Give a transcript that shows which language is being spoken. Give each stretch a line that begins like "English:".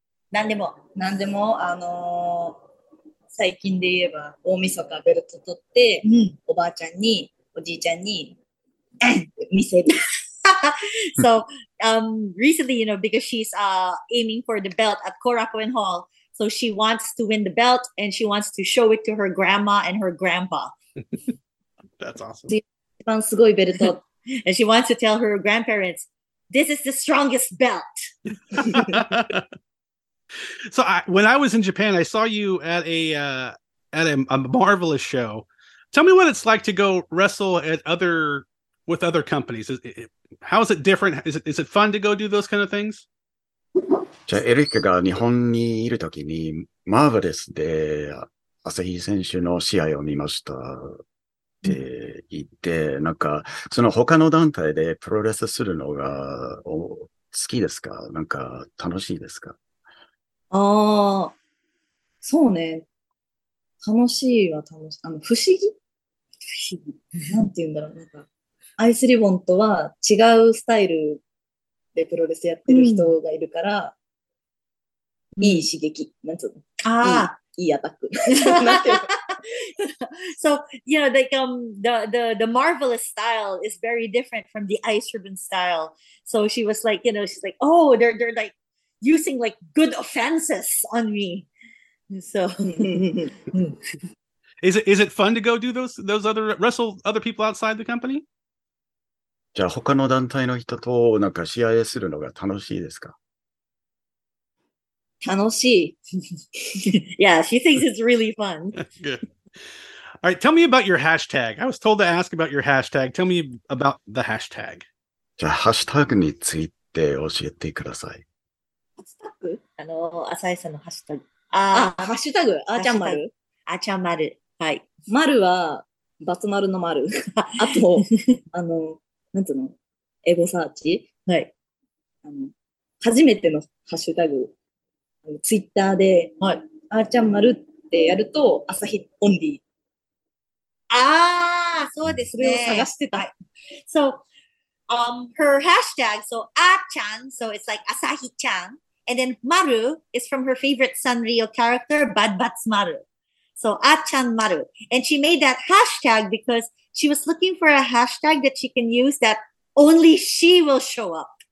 Japanese: 何でも、何でも、最近で言えば大晦日ベルト取って、うん、おばあちゃんに、おじいちゃんに、見せる。
English: So, recently, you know, because she's aiming for the belt at Korakuen Hall, so she wants to win the belt and she wants to show it to her grandma and her grandpa. That's awesome. And she wants to tell her grandparents, this is the strongest belt. So when I was in Japan, I saw you at a marvelous show. Tell me what it's like to go wrestle with other companies. How is it different? Is it fun to go do those kind of things?
Japanese: じゃあ、エリックが日本にいるときに、マーベルスで朝日選手の試合を見ました。って言って、なんか、その他の団体でプロレスするのが好きですか? なんか、楽しいですか? ああ、そうね。楽しいは楽しい。不思議?不思議。なんて言うんだろう。なんか、アイスリボンとは違うスタイルでプロレスやってる人がいるから、うん、いい刺激。なんつうの? ああ。いいアタック。なんていうの?
English: So, you know, like the marvelous style is very different from the ice ribbon style. So she was like, you know, she's like, oh, they're like using like good offenses on me. So is it fun to go do those other wrestle other people outside the company?
Japanese: じゃあ他の団体の人と何か試合するのが楽しいですか? 楽しい。
English: Yeah, she thinks it's really fun. Good. All right, tell me about your hashtag. I was told to ask about your hashtag. Tell me about the hashtag.
Japanese: じゃあ、ハッシュタグについて教えてください。ハッシュタグ? アサイさんのハッシュタグ。ハッシュタグ?あちゃんまる。あちゃんまる。はい。まるは、バツまるのまる。あと、なんつうの?エゴサーチ? はい。初めてのハッシュタグ。ツイッターで、はい、あーちゃん丸ってやると、朝日オンリー。ああ、そうですね。それを探してた。はい、
English: so, her hashtag, so, あーちゃん so it's like 朝日ちゃん and then 丸 is from her favorite Sanrio character, Bad Bats 丸 so, あーちゃん丸 and she made that hashtag because she was looking for a hashtag that she can use that only she will show up.